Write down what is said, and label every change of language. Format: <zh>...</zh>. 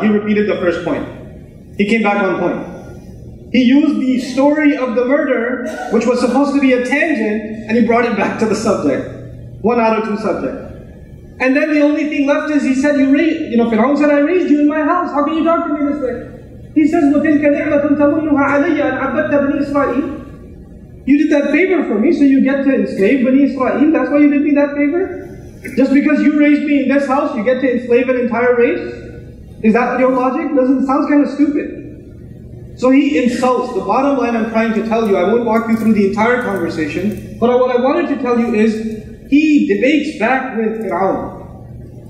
<en>He repeated the first point. He came back on point. He used the story of the murder, which was supposed to be a tangent, and he brought it back to the subject. One out of two subjects. And then the only thing left is he said, Fir'aun said, I raised you in my house. How can you talk to me this way? He says,</en> <ar>وَتِلْكَ نِعْمَةٌ تَمُنُّهَا عَلَيَّ أَنْ عَبَّدْتَ بَنِي إِسْرَائِيلَ.</ar> <en>You did that favor for me, so you get to enslave Bani Israel? That's why you did me that favor? Just because you raised me in this house, you get to enslave an entire race? Is that your logic? Doesn't sound kind of stupid. So he insults. The bottom line I'm trying to tell you, I won't walk you through the entire conversation, but what I wanted to tell you is, he debates back with Fir'aun.</en>